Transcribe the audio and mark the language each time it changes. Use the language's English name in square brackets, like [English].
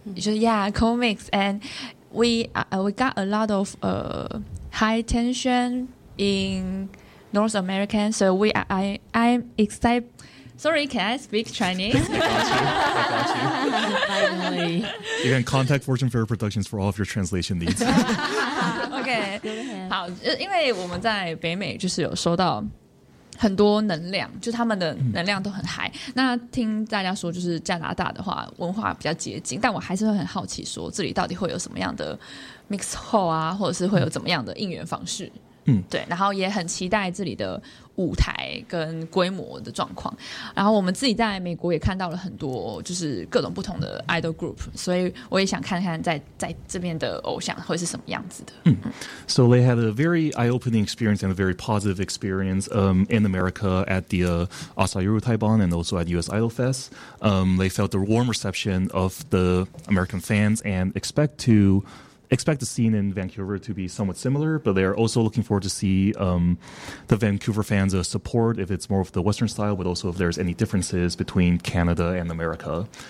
[English] Comics. And we got a lot of high tension in North America. So I'm excited. Sorry, can I speak Chinese? Finally. You can contact Fortune Fair Productions for all of your translation needs. Okay. [Chinese] 好，因为我们在北美就是有收到很多能量，就他们的能量都很high。那听大家说，就是加拿大的话文化比较接近，但我还是会很好奇，说这里到底会有什么样的 mix hall 啊，或者是会有怎么样的应援方式？对，然后也很期待这里的舞台跟规模的状况。然后我们自己在美国也看到了很多，就是各种不同的 idol group， 所以我也想看看在这边的偶像会是什么样子的。 [English] So they had a very eye-opening experience and a very positive experience in America at the Asayuru Taibon and also at US Idol Fest. They felt the warm reception of the American fans and expect the scene in Vancouver to be somewhat similar, but they are also looking forward to see the Vancouver fans' support, if it's more of the Western style, but also if there's any differences between Canada and America.